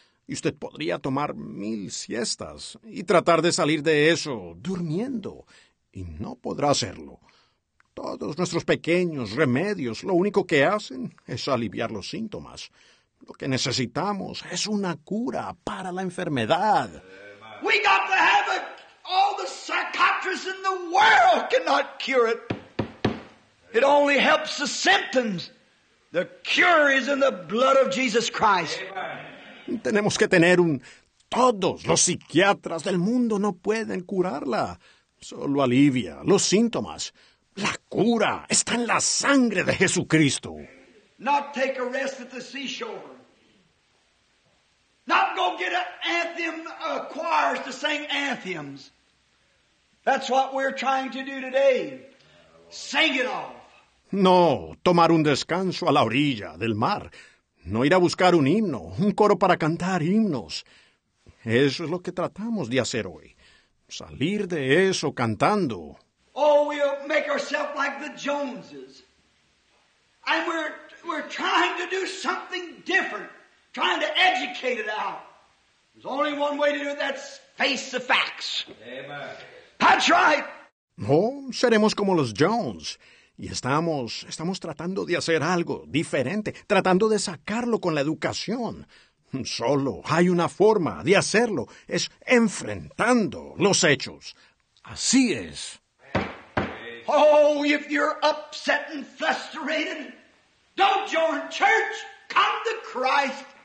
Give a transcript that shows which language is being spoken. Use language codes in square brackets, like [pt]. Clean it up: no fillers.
[es] Y usted podría tomar 1,000 siestas y tratar de salir de eso durmiendo. Y no podrá hacerlo. Todos nuestros pequeños remedios lo único que hacen es aliviar los síntomas. Lo que necesitamos es una cura para la enfermedad. [en] We got to have a... All the psychiatrists in the world cannot cure it. It only helps the symptoms. The cure is in the blood of Jesus Christ. Amen. [es] Tenemos que tener un... Todos los psiquiatras del mundo no pueden curarla. Solo alivia los síntomas. La cura está en la sangre de Jesucristo. [en] Not take a rest at the seashore. Not go get an anthem, choirs to sing anthems. That's what we're trying to do today. Sing it off. [es] No, tomar un descanso a la orilla del mar. No ir a buscar un himno, un coro para cantar himnos. Eso es lo que tratamos de hacer hoy. Salir de eso cantando. [en] Oh, we'll make ourselves like the Joneses. And we're trying to do something different. Trying to educate it out. There's only one way to do it, that's face the facts. Amen. That's right. [es] No, seremos como los Jones. Y estamos tratando de hacer algo diferente, tratando de sacarlo con la educación. Solo hay una forma de hacerlo, es enfrentando los hechos. Así es. [en] Oh, if you're upset and frustrated, don't join church, come to Christ.